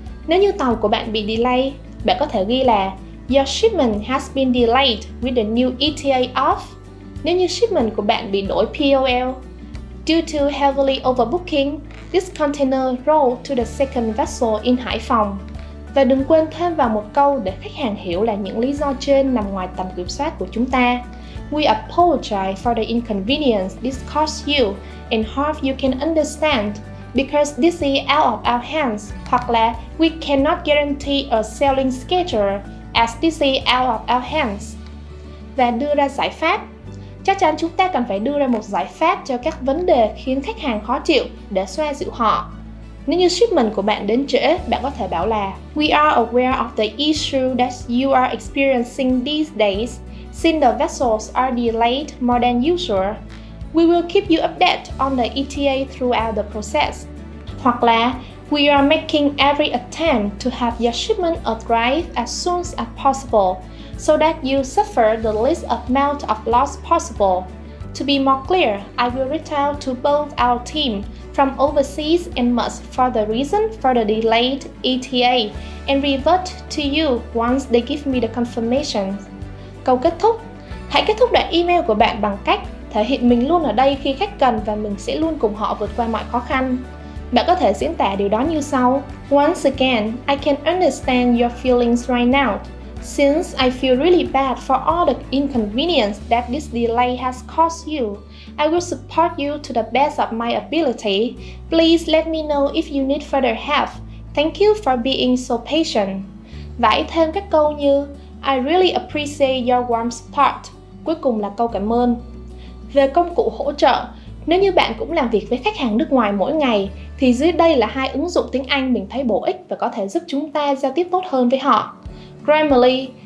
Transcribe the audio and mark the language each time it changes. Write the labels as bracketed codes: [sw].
[vi] Nếu như tàu của bạn bị delay, bạn có thể ghi là [en] your shipment has been delayed with the new ETA off. [vi] Nếu như shipment của bạn bị đổi POL, [en] due to heavily overbooking, this container rolled to the second vessel in Hải Phòng. [vi] Và đừng quên thêm vào một câu để khách hàng hiểu là những lý do trên nằm ngoài tầm kiểm soát của chúng ta. [en] We apologize for the inconvenience this caused you and hope you can understand because this is out of our hands. [vi] Hoặc là [en] we cannot guarantee a sailing schedule as this is out of our hands. [vi] Và đưa ra giải pháp. Chắc chắn chúng ta cần phải đưa ra một giải pháp cho các vấn đề khiến khách hàng khó chịu để xoa dịu họ. Nếu như shipment của bạn đến trễ, bạn có thể bảo là [en] we are aware of the issue that you are experiencing these days. Since the vessels are delayed more than usual, we will keep you updated on the ETA throughout the process. [vi] Hoặc là, [en] we are making every attempt to have your shipment arrive as soon as possible so that you suffer the least amount of loss possible. To be more clear, I will reach out to both our team from overseas and must for the reason for the delayed ETA and revert to you once they give me the confirmation. [vi] Câu kết thúc. Hãy kết thúc đoạn email của bạn bằng cách thể hiện mình luôn ở đây khi khách cần và mình sẽ luôn cùng họ vượt qua mọi khó khăn. Bạn có thể diễn tả điều đó như sau. [en] Once again, I can understand your feelings right now. Since I feel really bad for all the inconvenience that this delay has caused you, I will support you to the best of my ability. Please let me know if you need further help. Thank you for being so patient. [vi] Và hãy thêm các câu như [en] I really appreciate your warm support. [vi] Cuối cùng là câu cảm ơn. Về công cụ hỗ trợ, nếu như bạn cũng làm việc với khách hàng nước ngoài mỗi ngày, thì dưới đây là hai ứng dụng tiếng Anh mình thấy bổ ích và có thể giúp chúng ta giao tiếp tốt hơn với họ. Grammarly,